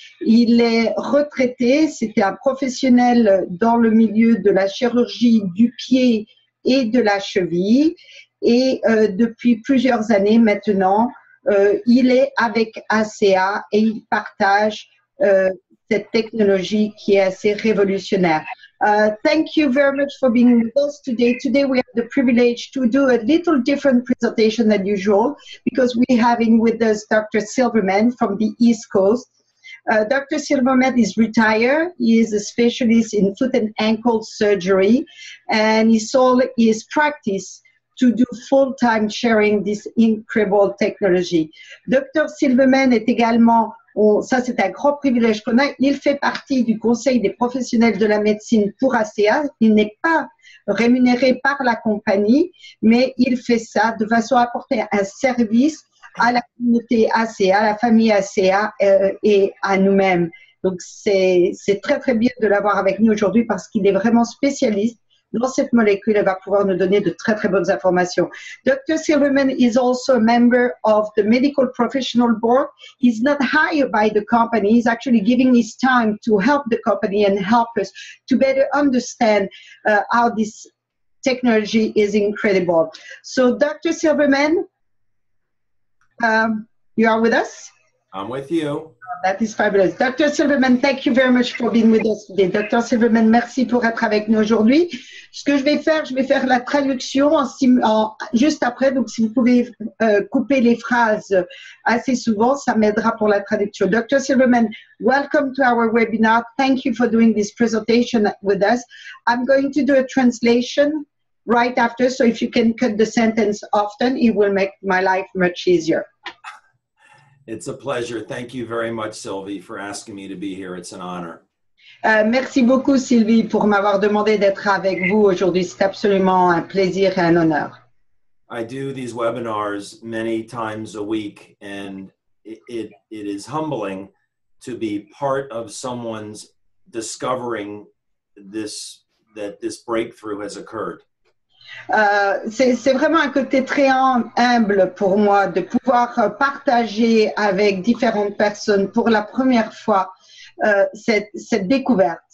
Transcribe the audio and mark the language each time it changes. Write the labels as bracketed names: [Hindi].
[French] Il est retraité, c'était un professionnel dans le milieu de la chirurgie du pied et de la cheville. Et depuis plusieurs années maintenant, il est avec ASEA et il partage cette technologie qui est assez révolutionnaire. [English] Thank you very much for being with us today. Today we have the privilege to do a little different presentation than usual because we have in with us Dr. Silverman from the East Coast. Dr. Silverman is retired. He is a specialist in foot and ankle surgery and he sold his practice to do full-time sharing this incredible technology. Dr. [French] Silverman est également ça, c'est un grand privilège qu'on a. Il fait partie du Conseil des professionnels de la médecine pour ASEA. Il n'est pas rémunéré par la compagnie, mais il fait ça de façon à apporter un service à la communauté ASEA, à la famille ASEA et à nous-mêmes. Donc, c'est très, très bien de l'avoir avec nous aujourd'hui parce qu'il est vraiment spécialiste dans cette molécule et va pouvoir nous donner de très, très bonnes informations. [English] Dr. Silverman is also a member of the Medical Professional Board. He's not hired by the company. He's actually giving his time to help the company and help us to better understand how this technology is incredible. So, Dr. Silverman, you are with us? I'm with you. That is fabulous. Dr. Silverman, thank you very much for being with us today. [French] Dr. Silverman, merci pour être avec nous aujourd'hui. Ce que je vais faire la traduction juste après. Donc, si vous pouvez couper les phrases assez souvent, ça m'aidera pour la traduction. [English] Dr. Silverman, welcome to our webinar. Thank you for doing this presentation with us. I'm going to do a translation right after. So if you can cut the sentence often, it will make my life much easier. It's a pleasure. Thank you very much, Sylvie, for asking me to be here. It's an honor. [French] Merci beaucoup, Sylvie, pour m'avoir demandé d'être avec vous aujourd'hui. C'est absolument un plaisir et un honneur. [English] I do these webinars many times a week, and it is humbling to be part of someone's discovering that this breakthrough has occurred. [French] C'est vraiment un côté très humble pour moi de pouvoir partager avec différentes personnes pour la première fois cette découverte.